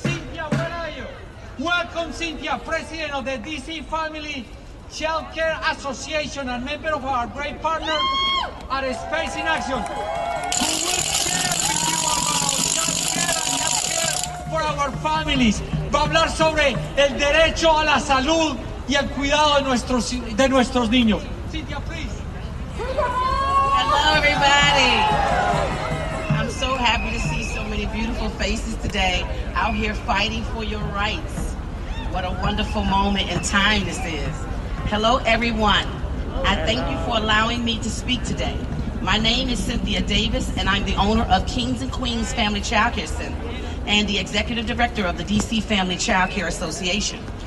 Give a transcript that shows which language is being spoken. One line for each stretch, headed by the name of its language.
English: Cynthia, where are you? Welcome, Cynthia, president of the DC Family Child Care Association and member of our great partner at Space in Action, who will share with you about child care and health care for our families.
Spanish: Va a hablar sobre el derecho a la salud y el cuidado de nuestros niños.
English: Cynthia, please. Hello, everybody. I'm so happy to see so many beautiful faces today out here fighting for your rights. What a wonderful moment in time this is. Hello, everyone. I thank you for allowing me to speak today. My name is Cynthia Davis, and I'm the owner of Kings and Queens Family Child Care Center and the executive director of the DC Family Child Care Association.